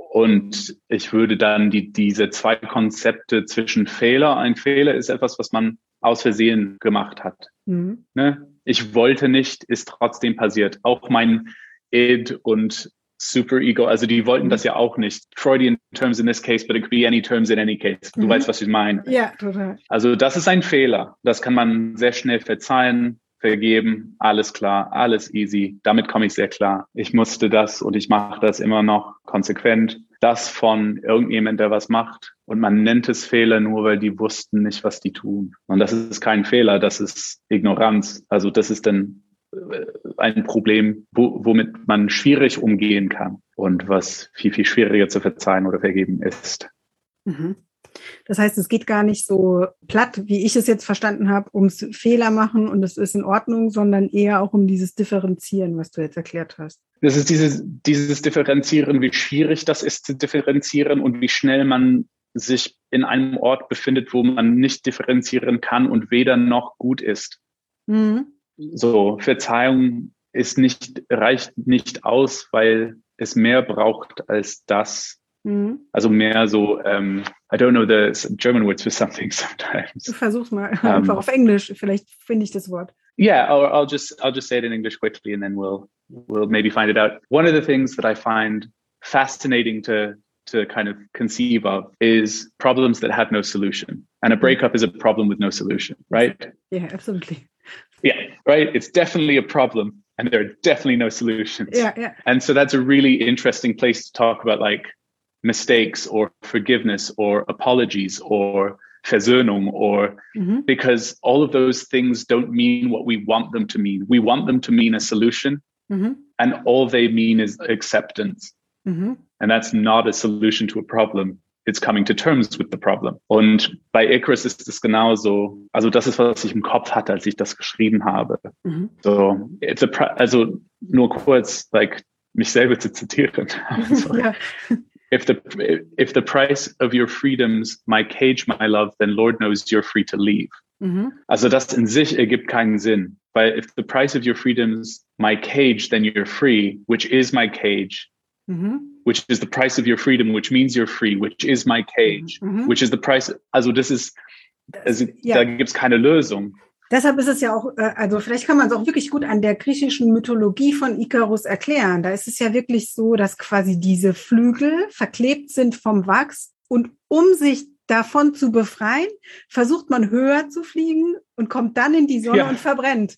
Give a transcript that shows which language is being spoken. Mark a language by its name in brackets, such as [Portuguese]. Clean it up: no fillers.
[German] Und ich würde dann diese zwei Konzepte zwischen Fehler, ein Fehler ist etwas, was man aus Versehen gemacht hat. Mhm. Ne? Ich wollte nicht, ist trotzdem passiert. Auch mein Id und Superego, also die wollten das ja auch nicht. [English] Freudian terms in this case, but it could be any terms in any case. [German] Du weißt, was ich meine. Ja, total. Also das ist ein Fehler. Das kann man sehr schnell verzeihen, vergeben. Alles klar, alles easy. Damit komme ich sehr klar. Ich musste das und ich mache das immer noch konsequent. Das von irgendjemand, der was macht. Und man nennt es Fehler nur, weil die wussten nicht, was die tun. Und das ist kein Fehler, das ist Ignoranz. Also das ist dann ein Problem, womit man schwierig umgehen kann und was viel, viel schwieriger zu verzeihen oder vergeben ist. Mhm. Das heißt, es geht gar nicht so platt, wie ich es jetzt verstanden habe, ums Fehler machen und es ist in Ordnung, sondern eher auch um dieses Differenzieren, was du jetzt erklärt hast. Das ist dieses Differenzieren, wie schwierig das ist zu differenzieren und wie schnell man sich in einem Ort befindet, wo man nicht differenzieren kann und weder noch gut ist. Mhm. So, Verzeihung ist nicht, reicht nicht aus, weil es mehr braucht als das. Mhm. Also mehr so, [English] I don't know the German words for something sometimes. [German] Du versuch's mal einfach auf Englisch, vielleicht finde ich das Wort. [English] Yeah, or I'll just say it in English quickly and then we'll maybe find it out. One of the things that I find fascinating to kind of conceive of is problems that have no solution. And a breakup is a problem with no solution, right? Yeah, absolutely. Yeah, right. It's definitely a problem and there are definitely no solutions. Yeah, yeah. And so that's a really interesting place to talk about like mistakes or forgiveness or apologies or Versöhnung or because all of those things don't mean what we want them to mean. We want them to mean a solution and all they mean is acceptance. Mm-hmm. And that's not a solution to a problem. It's coming to terms with the problem. [German] Und bei Icarus ist es genauso. Also das ist, was ich im Kopf hatte, als ich das geschrieben habe. Mhm. So, also nur kurz, like mich selber zu zitieren. Sorry. Ja. [English] If the price of your freedom's my cage, my love, then Lord knows you're free to leave. Mhm. [German] Also das in sich ergibt keinen Sinn, weil [English] if the price of your freedom's my cage, then you're free, which is my cage. Mhm. Which is the price of your freedom, which means you're free, which is my cage. [German] Mhm. [English] Which is the price. [German] Also das ist, also ja. Da gibt's keine Lösung. Deshalb ist es ja auch, also vielleicht kann man es auch wirklich gut an der griechischen Mythologie von Ikarus erklären. Da ist es ja wirklich so, dass quasi diese Flügel verklebt sind vom Wachs und um sich davon zu befreien, versucht man höher zu fliegen und kommt dann in die Sonne, ja, und verbrennt.